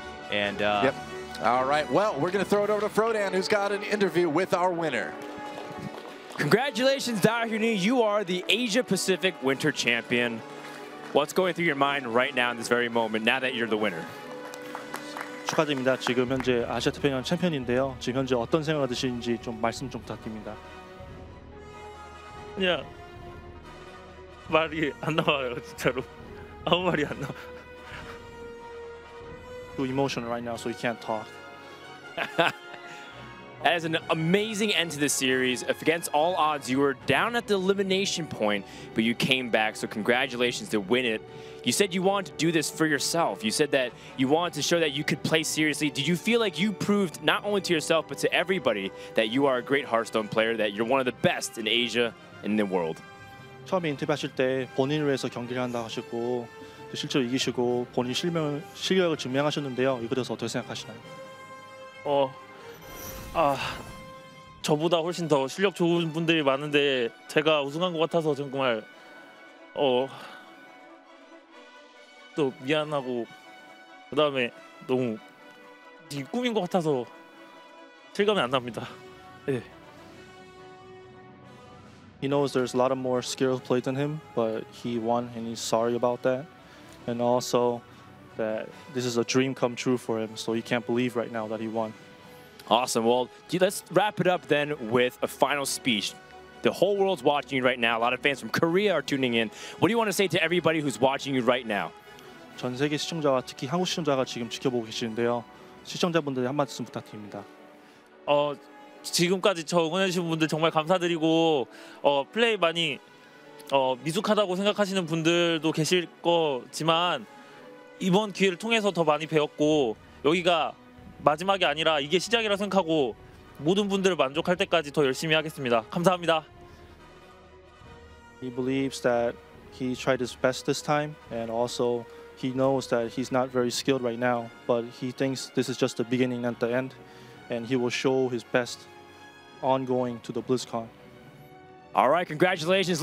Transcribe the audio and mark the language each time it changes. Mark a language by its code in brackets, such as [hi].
[en] And yep. All right, well, we're going to throw it over to Frodan, who's got an interview with our winner. Congratulations, DDaHyoni. You are the Asia Pacific Winter Champion. What's going through your mind right now in this very moment, now that you're the winner? [ko] 축하드립니다. 지금 현재 아시아 태평양 챔피언인데요. 지금 현재 어떤 생각을 드시는지 좀 말씀 좀 부탁드립니다. 그냥 말이 안 나와요, 진짜로. 아무 말이 안 나와. [en] Too emotional right now, so you can't talk. That is an amazing end to the series. If against all odds, you were down at the elimination point, but you came back, so congratulations to win it. You said you wanted to do this for yourself. You said that you wanted to show that you could play seriously. Did you feel like you proved, not only to yourself, but to everybody, that you are a great Hearthstone player, that you're one of the best in Asia and in the world? [ko] 처음에 인터뷰하실 때 본인을 위해서 경기를 한다고 하시고, 실제로 이기시고 본인 실력을 증명하셨는데요. 이거에 대해서 어떻게 생각하시나요? 저보다 훨씬 더 실력 좋은 분들이 많은데 제가 우승한 것 같아서 정말 또 미안하고 그다음에 너무 이 꿈인 것 같아서 실감이 안 납니다. 예. [en] He knows there's a lot of more skilled players than him, but he won and he's sorry about that. And also that this is a dream come true for him, so he can't believe right now that he won. Awesome. Well, let's wrap it up then with a final speech. The whole world's watching you right now. A lot of fans from Korea are tuning in. What do you want to say to everybody who's watching you right now? [ko] 전 세계 시청자와 특히 한국 시청자가 지금 지켜보고 계시는데요. 시청자분들 한 말씀 부탁드립니다. 지금까지 저 응원해주신 분들 정말 감사드리고 플레이 많이 미숙하다고 생각하시는 분들도 계실 거지만 이번 기회를 통해서 더 많이 배웠고 여기가 마지막이 아니라 이게 시작이라 생각하고 모든 분들을 만족할 때까지 더 열심히 하겠습니다. 감사합니다. [en] He believes that he tried his best this time and also he knows that he's not very skilled right now, but he thinks this is just the beginning and the end and he will show his best ongoing to the BlizzCon. All right, congratulations.